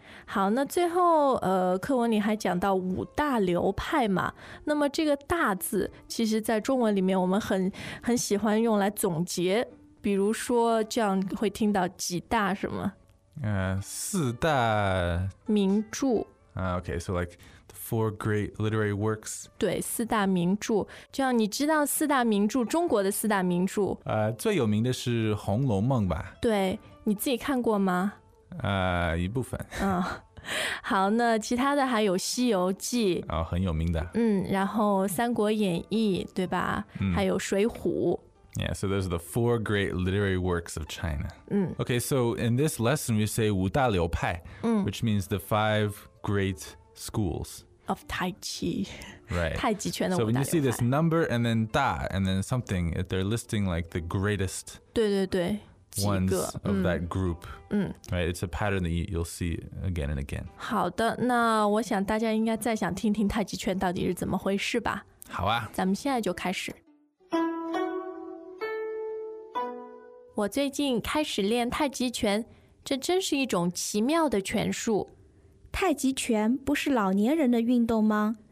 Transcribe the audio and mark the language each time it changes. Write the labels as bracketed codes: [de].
[zh] 好，那最后课文里还讲到五大流派嘛，那么这个大字其实在中文里面我们很喜欢用来总结，比如说这样会听到几大什么四大名著 [en] okay, so like the four great literary works. [zh] 对，四大名著，这样你知道四大名著，中国的四大名著最有名的是《红楼梦》吧。对，你自己看过吗？一部分。好，那其他的还有《西游记》 很有名的。然后《三国演义》，对吧？还有《水浒》。 [en] Yeah, so those are the four great literary works of China. Okay, so in this lesson, we say [zh] 五大流派 [en] which means the five great schools of Tai Chi. Right. [zh] 太极拳的五大流派。 [en] So when you see this number and then 大 and then something, they're listing like the greatest. [zh] 对对对。 [en] Ones of that group. Right, it's a pattern that you'll see again and again. [zh] 好的，那我想大家应该再想听听太极拳到底是怎么回事吧。好啊。咱们现在就开始。我最近开始练太极拳，这真是一种奇妙的拳术。太极拳不是老年人的运动吗？